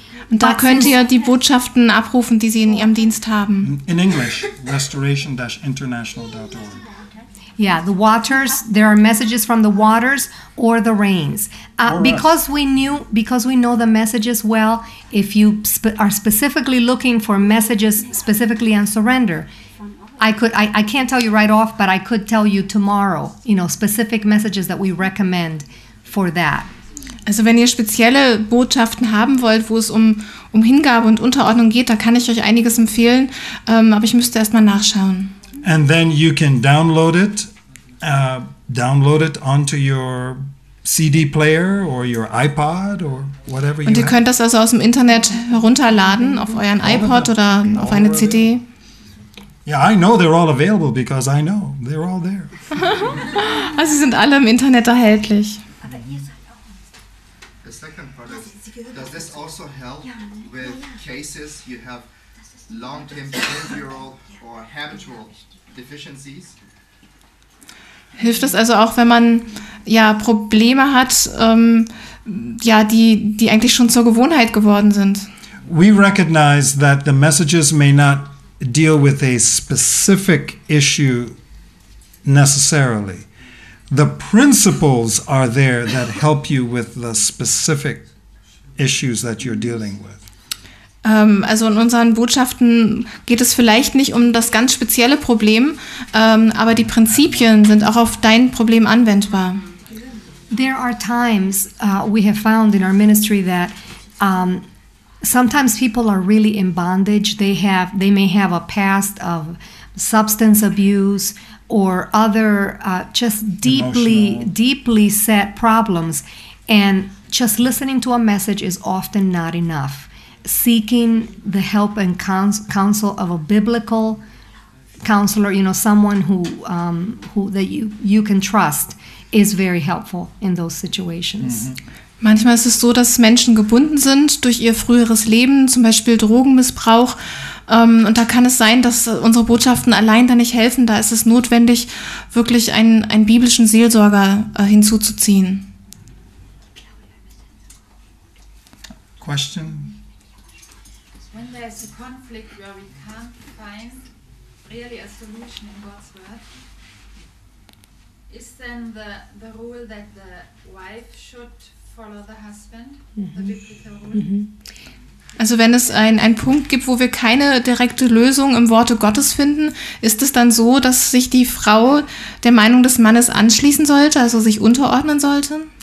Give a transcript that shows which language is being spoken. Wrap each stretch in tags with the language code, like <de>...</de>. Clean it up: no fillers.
<de>Und da könnt ihr die Botschaften abrufen, die sie in ihrem Dienst haben.</de> <en>In English, restoration-international.org. Yeah, the waters, there are messages from the waters or the rains. Because we know the messages well, if you are specifically looking for messages specifically on surrender, I can't tell you right off, but I could tell you tomorrow, you know, specific messages that we recommend for that.</en> <de>Also wenn ihr spezielle Botschaften haben wollt, wo es um Hingabe und Unterordnung geht, da kann ich euch einiges empfehlen, aber ich müsste erst mal nachschauen.</de> <en>And then you can download it onto your CD player or your iPod or whatever you</en> <de>Und ihr</de> <en>have.</en> <de>Könnt das also aus dem Internet herunterladen, auf euren iPod oder auf eine CD.</de> <en>Yeah, I know they're all available because I know they're all there.</en> <de>Also sie sind alle im Internet erhältlich.</de> <en>The second part is, does this also help with cases you have long-term behavioral or habitual deficiencies?</en> <de>Hilft das also auch, wenn man Probleme hat, die eigentlich schon zur Gewohnheit geworden sind?</de> <en>We recognize that the messages may not deal with a specific issue necessarily. The principles are there that help you with the specific issues that you're dealing with.</en> <de>Also in unseren Botschaften geht es vielleicht nicht um das ganz spezielle Problem, aber die Prinzipien sind auch auf dein Problem anwendbar.</de> <en>There are times we have found in our ministry that sometimes people are really in bondage. They may have a past of substance abuse or other just deeply, emotional. Deeply set problems. And just listening to a message is often not enough. Seeking the help and counsel of a biblical counselor, you know, someone who you can trust, is very helpful in those situations. Mm-hmm.</en> <de>Manchmal ist es so, dass Menschen gebunden sind durch ihr früheres Leben, zum Beispiel Drogenmissbrauch. Und da kann es sein, dass unsere Botschaften allein da nicht helfen. Da ist es notwendig, wirklich einen biblischen Seelsorger hinzuzuziehen.</de> <en>Question? When there is a conflict where we can't find really a solution in God's word, is then the rule that the wife should follow the husband, mm-hmm. the biblical rule? Mm-hmm.</en> <de>Also wenn es ein Punkt gibt, wo wir keine direkte Lösung im Worte Gottes finden, ist es dann so, dass sich die Frau der Meinung des Mannes anschließen sollte, also sich unterordnen sollte?</de>